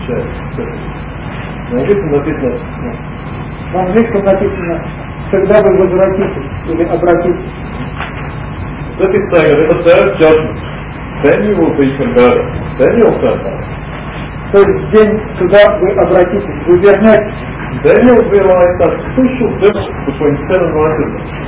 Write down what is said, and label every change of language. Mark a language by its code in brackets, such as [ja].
[ru] На английском написано. На английском написано, когда вы возвратитесь или обратитесь. [en] That is saying that in the third judgment, then you will be converted, then you'll turn back. [ru] То есть день сюда вы обратитесь, вы вернетесь. [en] Then you will realize that crucial difference between sin and righteousness.